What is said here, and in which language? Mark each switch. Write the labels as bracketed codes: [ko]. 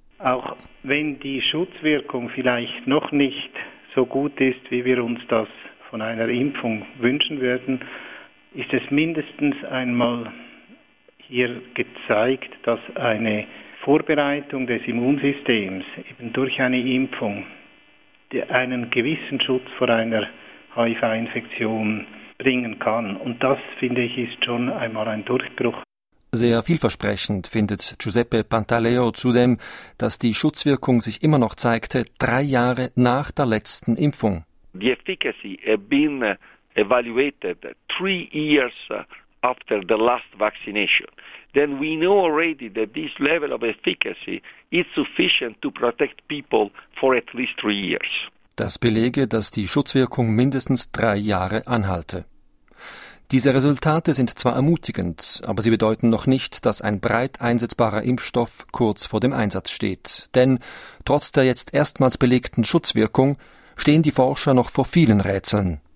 [de] Auch wenn die Schutzwirkung vielleicht noch nicht so gut ist, wie wir uns das von einer Impfung wünschen würden, ist es mindestens einmal hier gezeigt, dass eine Vorbereitung des Immunsystems eben durch eine Impfung einen gewissen Schutz vor einer HIV-Infektion bringen kann. Und das, finde ich, ist schon einmal ein Durchbruch. Sehr vielversprechend findet Giuseppe Pantaleo zudem, dass die Schutzwirkung sich immer noch zeigte, 3 Jahre nach der letzten Impfung. [en] The efficacy has been evaluated 3 years after the last vaccination. Then we know already that this level of efficacy is sufficient to protect people for at least 3 years. [de] Das belege, dass die Schutzwirkung mindestens 3 Jahre anhalte. Diese Resultate sind zwar ermutigend, aber sie bedeuten noch nicht, dass ein breit einsetzbarer Impfstoff kurz vor dem Einsatz steht. Denn trotz der jetzt erstmals belegten Schutzwirkung stehen die Forscher noch vor vielen Rätseln.